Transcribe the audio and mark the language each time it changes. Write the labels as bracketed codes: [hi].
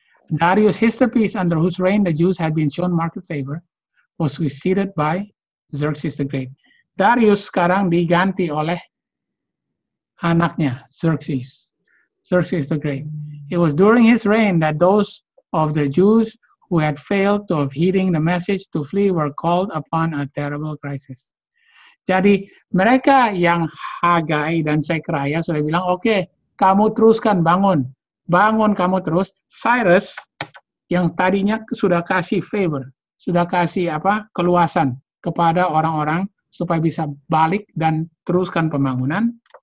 [en] Darius Histapis, under whose reign the Jews had been shown marked favor, was succeeded by Xerxes the Great. [id] Darius sekarang diganti oleh anaknya, Xerxes the Great. [en] It was during his reign that those of the Jews who had failed to have heeding the message to flee were called upon a terrible crisis. [id] Jadi mereka yang Hagai dan Zekaria sudah bilang, oke, kamu teruskan bangun kamu terus. Cyrus yang tadinya sudah kasih favor, sudah kasih keluasan kepada orang-orang supaya bisa balik dan teruskan pembangunan.